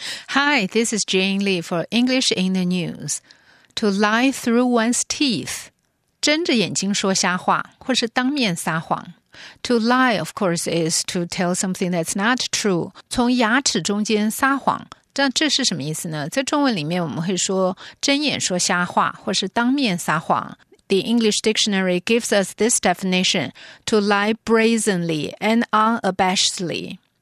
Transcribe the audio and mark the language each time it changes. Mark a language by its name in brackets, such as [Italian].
[English] Hi, this is Jane Lee for English in the News. To lie through one's teeth. [Chinese] 睁着眼睛说瞎话或是当面撒谎。 [English] To lie, of course, is to tell something that's not true. [Chinese] 从牙齿中间撒谎。但这是什么意思呢？在中文里面我们会说睁眼说瞎话或是当面撒谎。 [English] The English Dictionary gives us this definition, to lie brazenly and unabashedly.